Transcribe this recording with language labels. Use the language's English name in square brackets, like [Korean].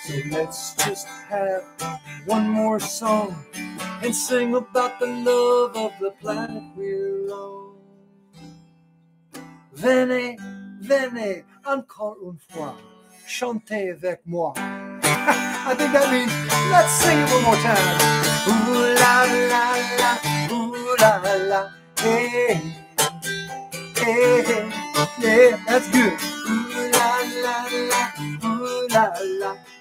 [English] Let's just have one more song and sing about the love of the planet we're on. [French] Venez, venez, encore une fois, chantez avec moi. [English] I think that means, let's sing it one more time. Ooh la la la, ooh la la, hey, hey, hey, yeah, that's good. Ooh la la la, ooh la la.